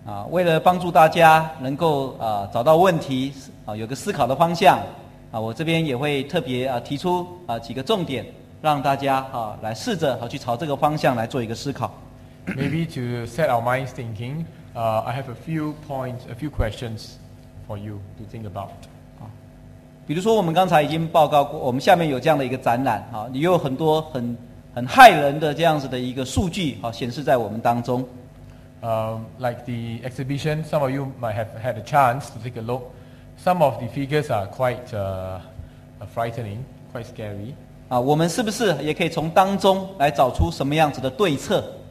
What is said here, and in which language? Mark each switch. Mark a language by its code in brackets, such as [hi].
[zh] 为了帮助大家能够找到问题有个思考的方向我这边也会特别提出几个重点，让大家来试着去朝这个方向来做一个思考。 [en] Maybe to set our minds thinking, I have a few points, a few questions for you to think about. [zh] 比如说我们刚才已经报告过，我们下面有这样的一个展览你有很多很骇人的这样子的一个数据显示在我们当中。 [en] Like the exhibition, some of you might have had a chance to take a look. Some of the figures are quite frightening, quite scary. [zh] 我们是不是也可以从当中来找出什么样子的对策